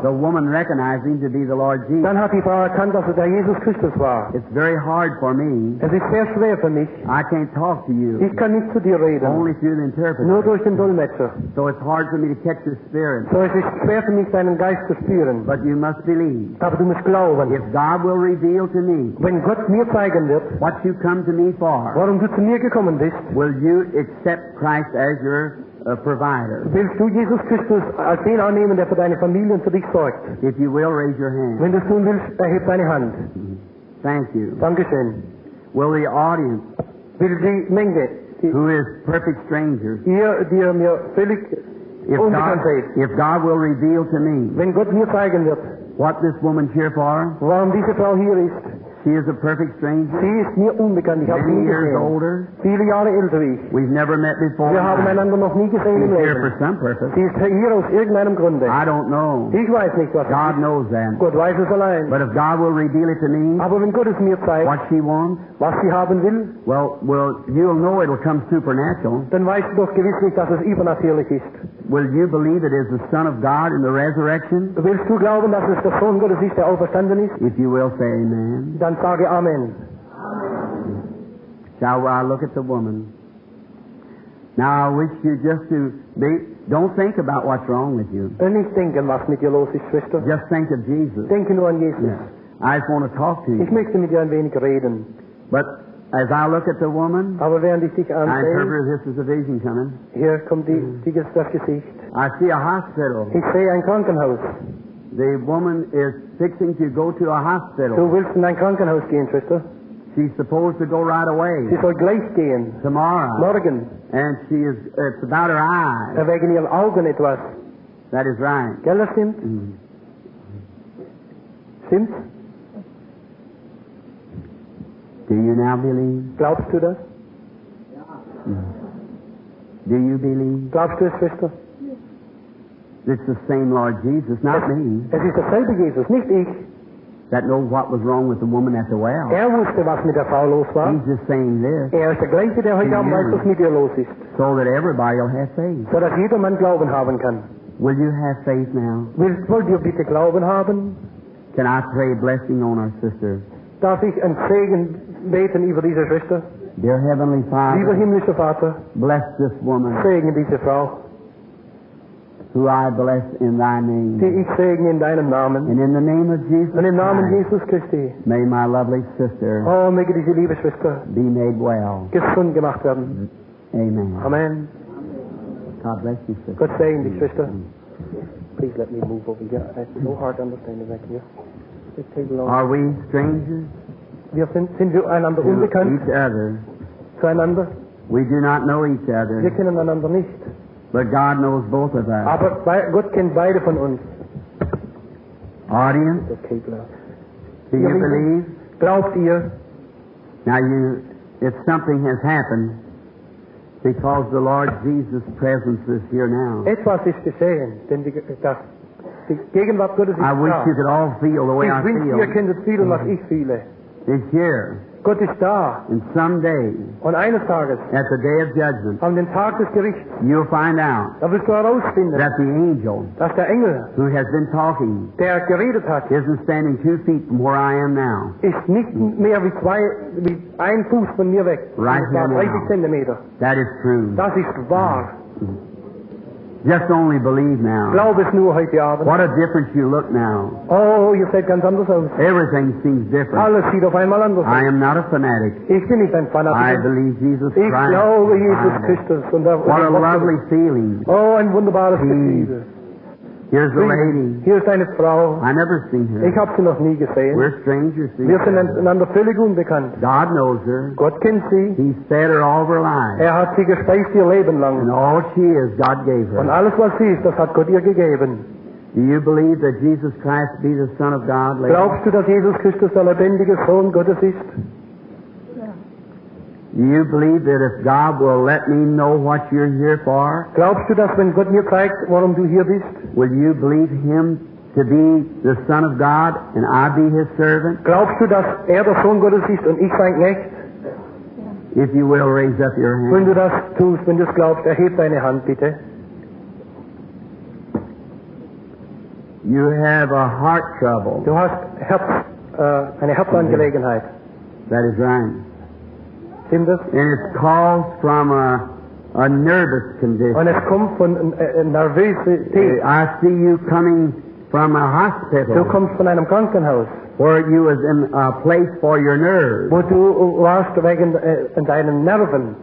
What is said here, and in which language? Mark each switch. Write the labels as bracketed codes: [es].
[en] The woman recognized him to be the Lord Jesus. [de] Dann hat die Frau erkannt, dass es der Jesus Christus war. [en] It's very hard for me. [de] Es ist sehr schwer für mich. [en] I can't talk to you. [de] Ich kann nicht zu dir reden. [en] Only through the interpreter. [de] Nur durch den Dolmetscher. [en] So it's hard for me to catch your spirit. [de] So es ist schwer für mich, deinen Geist zu spüren. [en] But you must believe. [de] Aber du musst glauben. [en] If God will reveal to me [de] when Gott mir zeigen wird, [en] what you come to me for. [de] Warum du zu mir gekommen bist, [en] will you accept Christ as your provider? [de] Willst du Jesus Christus als den annehmen, der für deine Familie und für dich sorgt? [en] If you will, raise your hand. [de] Wenn du tun willst, erhebe deine Hand. [en] Thank you. [de] Dankeschön. [en] Will the audience, [de] will die Menge, die, [en] who is perfect strangers, [de] ihr, die mir völlig unbekannt seid, [en] if God will reveal to me, [de] wenn Gott mir zeigen wird, [en] what this woman here for? [de] Warum diese Frau hier ist? [en] She is a perfect stranger. [de] Sie ist mir unbekannt. Ich [en] Many years [de] gesehen. [en] Older. [de] Viele Jahre älter. [en] We've never met before. [de] Wir haben einander noch nie gesehen. [en] She's here for some purpose. [de] Sie ist hier aus irgendeinem Grunde. [en] I don't know. [de] Ich weiß nicht, was [en] God knows that. [de] Gott weiß es allein. [en] But if God will reveal it to me, [de] aber wenn Gott es mir zeigt, [en] what she wants, [de] was sie haben will, [en] well, you'll know it'll come supernatural. [de] Dann weißt du doch gewiss nicht, dass es übernatürlich ist. [en] Will you believe it is the Son of God in the resurrection? [de] Willst du glauben, dass es der Sohn Gottes ist, der auferstanden ist? [en] If you will, say amen. [de] Dann sage amen. Amen. [en] Shall I look at the woman? Now I wish you just to be, don't think about what's wrong with you. [de] Nicht denken, was mit dir los ist, Schwester. [en] Just think of Jesus. [de] Denke nur an Jesus. [en] Yeah. I just want to talk to you. [de] Ich möchte mit dir ein wenig reden. [en] But as I look at the woman, [de] aber während ich dich ansehe, [en] I interpret this as a vision coming. [de] Hier kommt das Gesicht. [en] I see a hospital. [de] Ich sehe ein Krankenhaus. [en] The woman is fixing to go to a hospital. [de] Du willst in ein Krankenhaus gehen, Schwester? [en] She's supposed to go right away. [de] Sie soll gleich gehen. [en] Tomorrow. [de] Morgen. [en] And she is, it's about her eyes. [de] Wegen ihren Augen etwas. [en] That is right. [de] Gell, das stimmt? Stimmt? [en] Do you now believe? [de] Glaubst du das? [en] Do you believe? [de] Glaubst du es, Schwester? [en] It's the same Lord Jesus, not me. [de] Es ist derselbe Jesus, nicht ich. [en] That knows what was wrong with the woman at the well. [de] Wusste, was mit der Frau los war. [en] He's just saying this. [de] Ist der gleiche, der heute Abend weiß, was mit ihr los ist. [en] So that everybody will have faith. [de] So dass jeder Mann Glauben haben kann. [en] Will you have faith now? [de] Wollt ihr bitte Glauben haben? [en] Can I pray a blessing on our sister? [de] Darf ich einen Segen beten über diese Schwester? [en] Dear Heavenly Father. [de] Lieber himmlischer Vater. [en] Bless this woman. [de] Segen diese Frau. [en] Who I bless in thy name. [de] Die ich segne in deinem Namen. [en] And in the name of Jesus Christ. [de] Und im Namen Jesus Christi. [en] May my lovely sister. [de] Oh, möge diese liebe Schwester. [en] Be made well. [de] Gesund gemacht werden. [en] Amen. [de] Amen. [en] God bless you, sister. [de] Gott segne dich, Schwester. [en] Please let me move over here. I have no hard understanding back here. Just take long. Are we strangers? [de] Wir sind wir einander unbekannt. [en] Each other. [de] Zueinander. [en] We do not know each other. [de] Wir kennen einander nicht. [en] But God knows both of us. [de] Aber Gott kennt beide von uns. [en] Audience, okay, do you believe? [de] Glaubt ihr? [en] Now you, if something has happened, because the Lord Jesus' presence is here now. [de] Etwas ist geschehen, denn die Gegenwart Gottes ist da. [en] I wish you could all feel the way I feel. [de] Ich wünschte, ihr könntet fühlen, was ich fühle. [en] this year. [de] Gott ist da. [en] And someday. [de] Und eines Tages. [en] At the day of judgment. [de] An dem Tag des Gerichts. [en] You'll find out. [de] Da wirst du herausfinden. [en] That the angel. [de] Dass der Engel. [en] Who has been talking. [de] Der geredet hat. [en] Isn't standing 2 feet from where I am now. [de] Ist nicht mehr wie ein Fuß von mir weg. [en] Right here now. [de] 30 Zentimeter. [en] That is true. [de] Das ist wahr. [en] Just only believe now. [de] Glaub es nur heute Abend. [en] What a difference you look now. Oh, you said [de] ganz anders aus. [en] Everything seems different. [de] Alles sieht auf einmal anders aus. [en] I am not a fanatic. [de] Ich bin nicht ein Fanatiker. [en] I believe Jesus Christ. [de] Ich glaube Jesus Christus. [en] What a lovely feeling. [de] Oh, ein wunderbares Gefühl. [en] Here's the lady. [de] Hier ist eine Frau. [en] I never seen her. [de] Ich habe sie noch nie gesehen. [en] We're strangers. [de] Wir sind einander völlig unbekannt. [en] God knows her. [de] Gott kennt sie. [en] He's fed her all of her life. [de] Er hat sie gespeist ihr Leben lang. [en] And all she is, God gave her. [de] Und alles was sie ist, das hat Gott ihr gegeben. [en] Do you believe that Jesus Christ be the Son of God, lady? [de] Glaubst du, dass Jesus Christus der lebendige Sohn Gottes ist? [en] Do you believe that if God will let me know what you're here for? [de] Glaubst du, dass wenn Gott mir zeigt, warum du hier bist? [en] Will you believe Him to be the Son of God and I be His servant? [de] Glaubst du, dass der Sohn Gottes ist und ich sein Knecht? [en] If you will, raise up your hand. [de] Wenn du das tust, wenn du es glaubst, erhebe deine Hand, bitte. [en] You have a heart trouble. [de] Du hast eine Herzangelegenheit. [en] That is right. [de] Stimmt das? [en] And it's caused from a nervous condition. [de] Und es kommt von nervösität. [en] I see you coming from a hospital. [de] Du kommst von einem Krankenhaus. [en] Where you was in a place for your nerves. [de] Wo du warst wegen deinen Nerven.